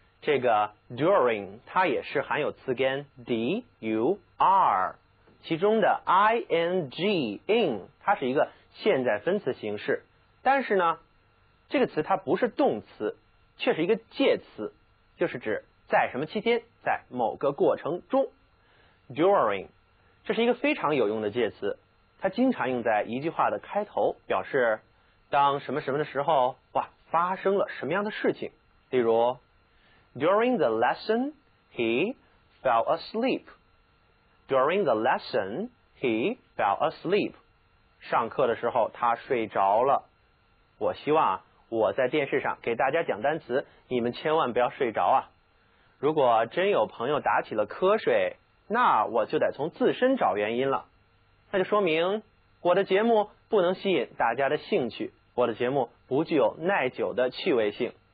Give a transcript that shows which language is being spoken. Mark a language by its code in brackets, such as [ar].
[zh] 这个 during 它也是含有词根 dur， 其中的 ing 它是一个现在分词形式，但是呢，这个词它不是动词，却是一个介词，就是指在什么期间，在某个过程中。 During 这是一个非常有用的介词，它经常用在一句话的开头，表示当什么什么的时候，哇，发生了什么样的事情。例如 [en] During the lesson he fell asleep， During the lesson he fell asleep， [zh] 上课的时候他睡着了。我希望我在电视上给大家讲单词，你们千万不要睡着啊。如果真有朋友打起了瞌睡，那我就得从自身找原因了。那就说明我的节目不能吸引大家的兴趣，我的节目不具有耐久的趣味性。